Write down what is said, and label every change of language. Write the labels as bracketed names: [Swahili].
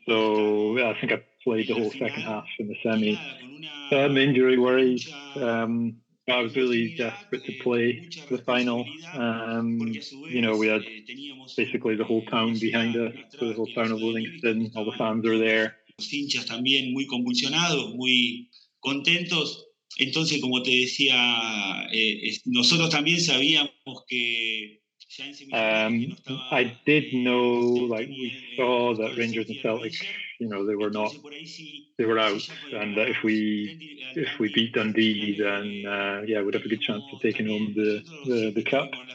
[English] So yeah, I think I played the whole second half in the semi. Injury worries. I was really desperate to play the final. You know, we had basically the whole town behind us, so the whole town of Willingston, all the fans were there. [Spanish] Los hinchas también muy convulsionados, muy contentos. Entonces, como te decía, nosotros también sabíamos que... [English] I did know, like, we saw that Rangers and Celtic, you know, they were out, and that if we beat Dundee, then we'd have a good chance of taking home the cup.